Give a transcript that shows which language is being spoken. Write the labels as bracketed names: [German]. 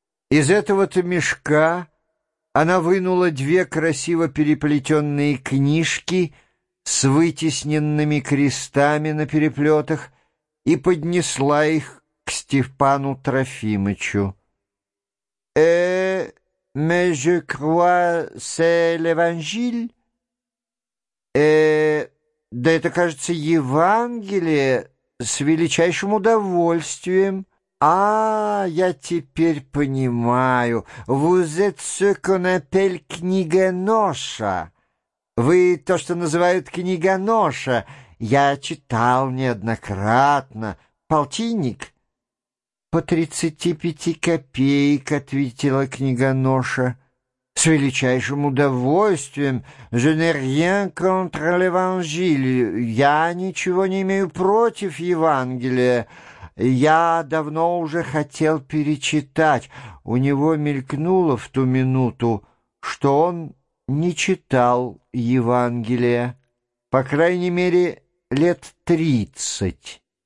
[Russian] Из этого-то мешка она вынула две красиво переплетенные книжки с вытесненными крестами на переплетах и поднесла их к Степану Трофимычу. [French] Mais je crois c'est l'Évangile. [Russian] Да это, кажется, Евангелие с величайшим удовольствием. Я теперь понимаю. [French] Vous êtes ce qu'on appelle книгоноша. [Russian] Вы то, что называют книгоноша. Я читал неоднократно. Полтинник? «По 35 копеек», — ответила книгоноша. «С величайшим удовольствием. [French] Je n'ai rien contre l'Évangile. [Russian] Я ничего не имею против Евангелия. Я давно уже хотел перечитать». У него мелькнуло в ту минуту, что он не читал Евангелия. По крайней мере, лет 30.